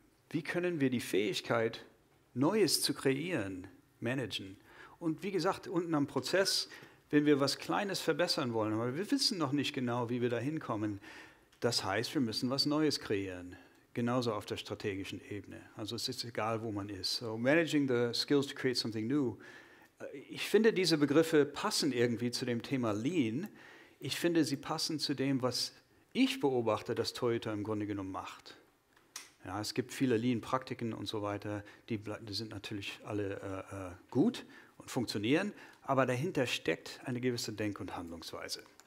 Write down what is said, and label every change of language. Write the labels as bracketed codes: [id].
[de] Wie können wir die Fähigkeit, Neues zu kreieren, managen? Und wie gesagt, unten am Prozess, wenn wir was Kleines verbessern wollen, aber wir wissen noch nicht genau, wie wir da hinkommen, das heißt, wir müssen was Neues kreieren. Genauso auf der strategischen Ebene. Also es ist egal, wo man ist. [en] So managing the skills to create something new. [de] Ich finde, diese Begriffe passen irgendwie zu dem Thema Lean. Ich finde, sie passen zu dem, was ich beobachte, dass Toyota im Grunde genommen macht. Ja, es gibt viele Lean-Praktiken und so weiter, die sind natürlich alle gut und funktionieren, aber dahinter steckt eine gewisse Denk- und Handlungsweise.